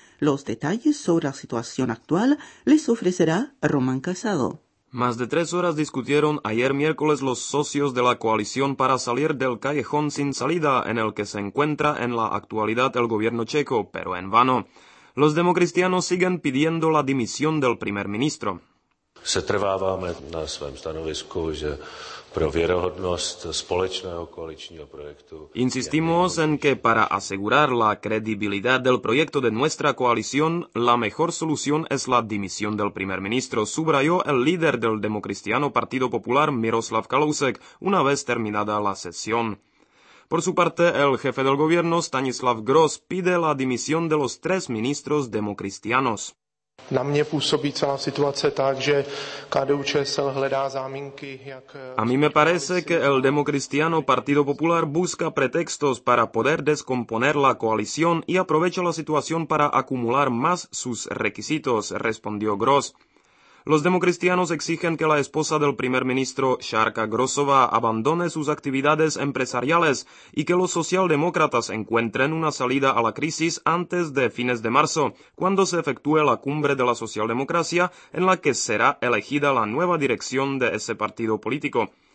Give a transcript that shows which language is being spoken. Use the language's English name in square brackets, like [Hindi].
[Spanish] Los detalles sobre la situación actual les ofrecerá Román Casado. Más de 3 horas discutieron ayer miércoles los socios de la coalición para salir del callejón sin salida en el que se encuentra en la actualidad el gobierno checo, pero en vano. Los democristianos siguen pidiendo la dimisión del primer ministro. [Czech] Setrváváme na svém stanovisku, že pro věrohodnost společného koaličního projektu. [Spanish] Insistimos en que para asegurar la credibilidad del proyecto de nuestra coalición, la mejor solución es la dimisión del primer ministro, subrayó el líder del democristiano Partido Popular Miroslav Kalousek una vez terminada la sesión. Por su parte, el jefe del gobierno Stanislav Gross pide la dimisión de los 3 ministros democristianos. [Czech] Na mě působí celá situace tak, že KDU-ČSL hledá záminky, jak... [Spanish] A mí me parece que el democristiano Partido Popular busca pretextos para poder descomponer la coalición y aprovecha la situación para acumular más sus requisitos, respondió Gross. Los democristianos exigen que la esposa del primer ministro, Sharka Grossova, abandone sus actividades empresariales y que los socialdemócratas encuentren una salida a la crisis antes de fines de marzo, cuando se efectúe la cumbre de la socialdemocracia en la que será elegida la nueva dirección de ese partido político.